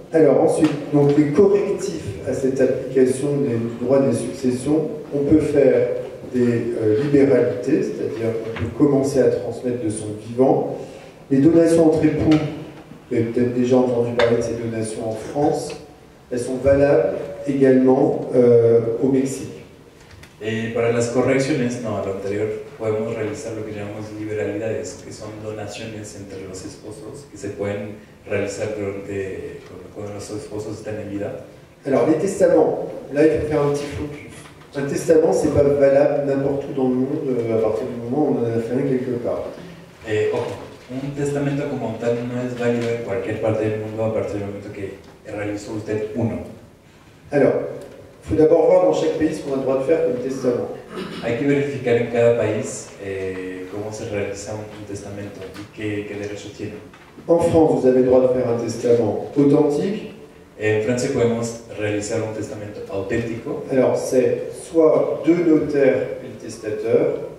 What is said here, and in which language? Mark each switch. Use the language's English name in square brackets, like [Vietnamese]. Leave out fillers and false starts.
[French] Alors ensuite, donc, les correctifs à cette application du droit des successions, on peut faire des libéralités, c'est-à-dire on peut commencer à transmettre de son vivant. Les donations entre époux, vous avez peut-être déjà entendu parler de ces donations en France, elles sont valables également au Mexique. [Spanish] Para las correcciones, no, a lo anterior, podemos realizar lo que llamamos liberalidades, que son donaciones entre los esposos, que se pueden realizar durante, cuando los esposos están en vida. [French] Alors, les testaments, là, il faut faire un petit focus. Un testament, c'est pas valable n'importe où dans le monde, à partir du moment où on en a fait un quelque part. [Spanish] Un testamento como tal no es válido en cualquier parte del mundo a partir del momento que realizó usted uno. [French] Alors, il faut d'abord voir dans chaque pays ce qu'on a le droit de faire comme testament. [Spanish] Hay que verificar en cada país [French] comment [Spanish] se realiza un testamento y qué derechos tiene. [French] En France, vous avez le droit de faire un testament authentique. [Spanish] En Francia podemos realizar un testamento auténtico. [French] Alors, c'est soit deux notaires et le testateur.